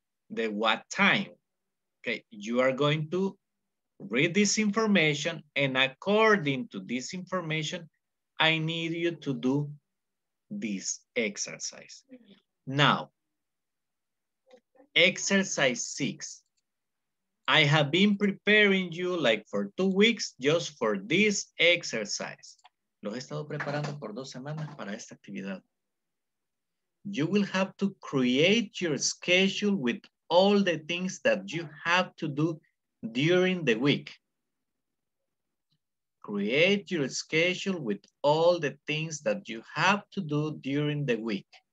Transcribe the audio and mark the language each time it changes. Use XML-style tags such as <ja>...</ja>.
<en>The what time? Okay, you are going to read this information, and according to this information, I need you to do this exercise. Now, exercise 6. I have been preparing you like for 2 weeks just for this exercise.</en> <es>Los he estado preparando por 2 semanas para esta actividad.</es> <en>You will have to create your schedule with all the things that you have to do during the week. Create your schedule with all the things that you have to do during the week.</en>